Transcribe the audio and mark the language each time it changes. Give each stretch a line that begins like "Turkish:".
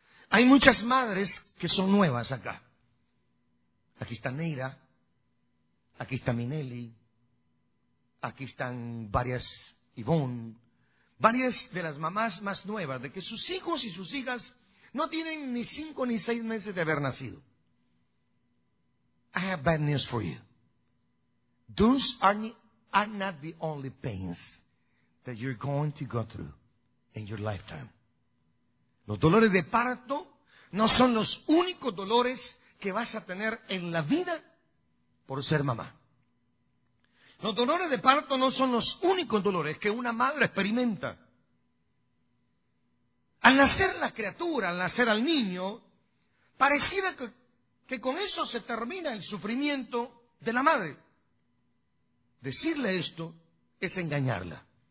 Spanish: Hay muchas madres que son nuevas acá. Aquí está Neira, aquí está Minelli, aquí están varias Ivonne, varias de las mamás más nuevas, de que sus hijos y sus hijas no tienen ni 5 ni 6 meses de haber nacido.
English: I have bad news for you. Those are not the only pains that you're going to go through in your lifetime.
Spanish: Los dolores de parto no son los únicos dolores que vas a tener en la vida por ser mamá. Los dolores de parto no son los únicos dolores que una madre experimenta. Al nacer la criatura, al nacer al niño, pareciera que con eso se termina el sufrimiento de la madre. Decirle esto es engañarla.